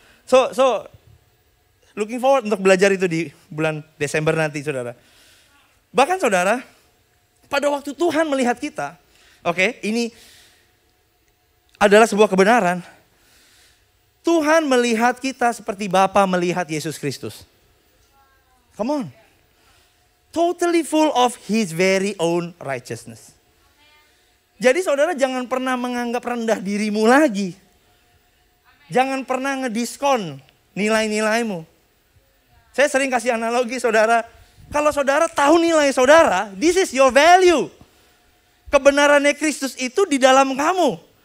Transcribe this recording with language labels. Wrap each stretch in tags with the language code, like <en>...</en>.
<en>So, looking forward</en> <id>untuk belajar itu di bulan Desember nanti, saudara. Bahkan, saudara, pada waktu Tuhan melihat kita, okay, ini adalah sebuah kebenaran. Tuhan melihat kita seperti Bapa melihat Yesus Kristus.</id> <en>Come on. Totally full of His very own righteousness.</en> <id>Jadi saudara jangan pernah menganggap rendah dirimu lagi. Jangan pernah ngediskon nilai-nilaimu. Saya sering kasih analogi saudara. Kalau saudara tahu nilai saudara,</id> <en>this is your value.</en> <id>Kebenarannya Kristus itu di dalam kamu.</id>